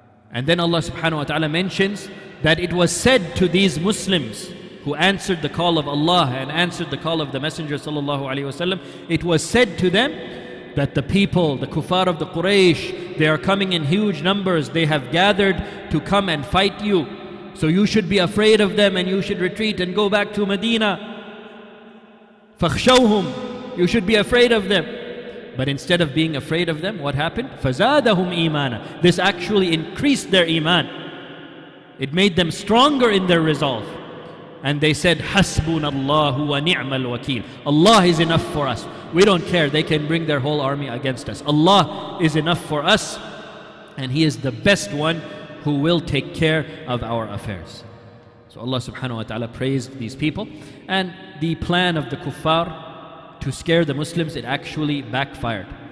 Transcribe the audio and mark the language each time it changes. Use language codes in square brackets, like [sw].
[en] And then Allah subhanahu wa ta'ala mentions that it was said to these Muslims who answered the call of Allah and answered the call of the Messenger sallallahu alayhi wa sallam, it was said to them that the people, the kuffar of the Quraysh, they are coming in huge numbers, they have gathered to come and fight you, so you should be afraid of them and you should retreat and go back to Medina. [ar] فَخْشَوْهُمْ, [en] you should be afraid of them. But instead of being afraid of them, what happened? [ar] فَزَادَهُمْ إِيمَانًا. [en] This actually increased their iman. It made them stronger in their resolve. And they said, [ar] حَسْبُنَا اللَّهُ وَنِعْمَ الْوَكِيلُ. [en] Allah is enough for us. We don't care. They can bring their whole army against us. Allah is enough for us. And He is the best one who will take care of our affairs. So Allah subhanahu wa ta'ala praised these people. And the plan of the kuffar to scare the Muslims, it actually backfired.